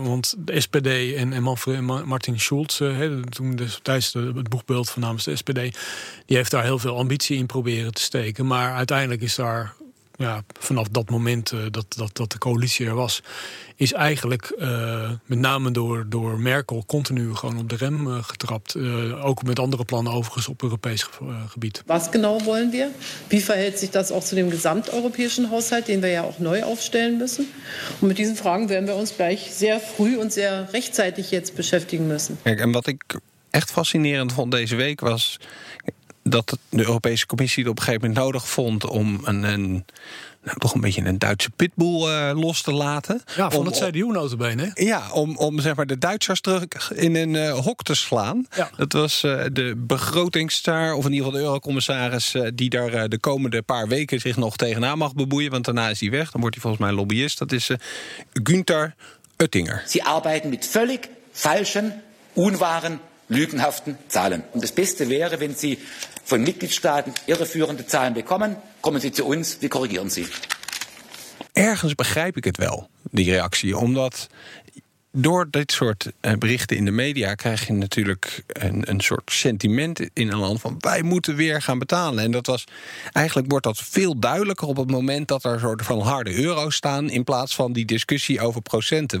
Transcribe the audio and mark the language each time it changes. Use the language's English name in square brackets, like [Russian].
[Dutch] Want de SPD en Martin Schulz, toen destijds het boegbeeld van namens de SPD, die heeft daar heel veel ambitie in proberen te steken. Maar uiteindelijk is daar, ja, vanaf dat moment dat de coalitie er was, is eigenlijk met name door Merkel continu gewoon op de rem getrapt. Ook met andere plannen overigens op Europees gebied. [German] Wat genau wollen wir? Wie verhält sich das auch zu dem gesamteuropäischen Haushalt, den wir ja auch neu aufstellen müssen? Und mit diesen Fragen werden wir uns gleich sehr früh und sehr rechtzeitig jetzt beschäftigen müssen. [Dutch] Kijk, en wat ik echt fascinerend vond deze week was dat de Europese Commissie het op een gegeven moment nodig vond om toch een beetje een Duitse pitbull los te laten. Ja, van het CDU notabene. Ja, om zeg maar de Duitsers terug in een hok te slaan. Ja. Dat was de begrotingsstaar, of in ieder geval de eurocommissaris, die daar de komende paar weken zich nog tegenaan mag bemoeien, want daarna is hij weg. Dan wordt hij volgens mij lobbyist. Dat is Günther Oettinger. [German] Sie arbeiten mit völlig falschen, unwahren, lügenhaften Zahlen. Und das Beste wäre, wenn Sie von Mitgliedstaaten irreführende Zahlen bekommen, kommen Sie zu uns, wir korrigieren Sie. [Dutch] Ergens begrijp ik het wel, die reactie, omdat door dit soort berichten in de media krijg je natuurlijk een soort sentiment in een land van, wij moeten weer gaan betalen. En dat was, eigenlijk wordt dat veel duidelijker op het moment dat er soort van harde euro's staan in plaats van die discussie over procenten.